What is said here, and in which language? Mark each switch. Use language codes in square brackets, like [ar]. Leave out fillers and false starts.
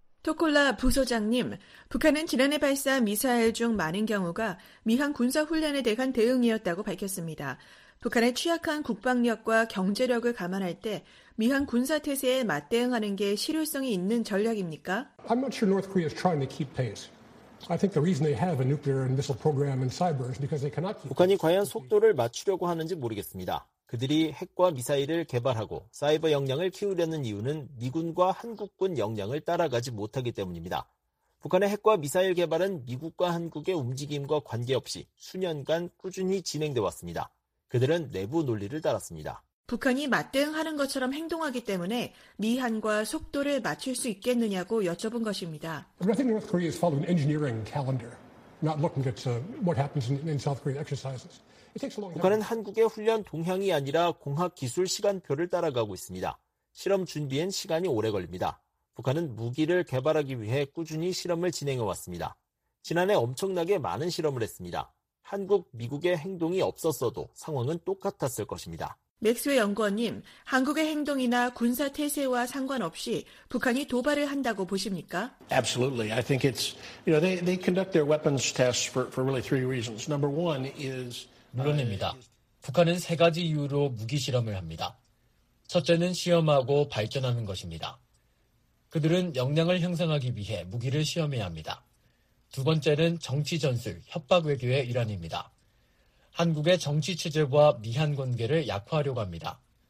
[ko] 토콜라 부소장님, 북한은 지난해 발사한 미사일 중 많은 경우가 미한 군사훈련에 대한 대응이었다고 밝혔습니다. 북한의 취약한 국방력과 경제력을 감안할 때 미한 군사태세에 맞대응하는 게 실효성이 있는 전략입니까? [en] I'm not sure North Korea is trying to keep pace. I think the reason they have a nuclear and missile program and cyber is because they cannot keep [ko] 북한이 과연 속도를 맞추려고 하는지 모르겠습니다. 그들이 핵과 미사일을 개발하고 사이버 역량을 키우려는 이유는 미군과 한국군 역량을 따라가지 못하기 때문입니다. 북한의 핵과 미사일 개발은 미국과 한국의 움직임과 관계없이 수년간 꾸준히 진행돼 왔습니다. 그들은 내부 논리를 따랐습니다. 북한이 맞대응하는 것처럼 행동하기 때문에 미한과 속도를 맞출 수 있겠느냐고 여쭤본 것입니다. [en] I think North Korea is following engineering calendar, not looking at what happens in South Korea exercises. [ko] 북한은 한국의 훈련 동향이 아니라 공학 기술 시간표를 따라가고 있습니다. 실험 준비엔 시간이 오래 걸립니다. 북한은 무기를 개발하기 위해 꾸준히 실험을 진행해 왔습니다. 지난해 엄청나게 많은 실험을 했습니다. 한국, 미국의 행동이 없었어도 상황은 똑같았을 것입니다. 맥스웰 연구원님, 한국의 행동이나 군사 태세와 상관없이 북한이 도발을 한다고 보십니까? [en] Absolutely. I think it's, you know, they conduct their weapons tests for really three reasons. Number one is [ko] 물론입니다. 북한은 세 가지 이유로 무기 실험을 합니다. 첫째는 시험하고 발전하는 것입니다. 그들은 역량을 형성하기 위해 무기를 시험해야 합니다. 두 번째는 정치 전술, 협박 외교의 일환입니다. 한국의 정치 체제와 미한 관계를 약화하려고 합니다.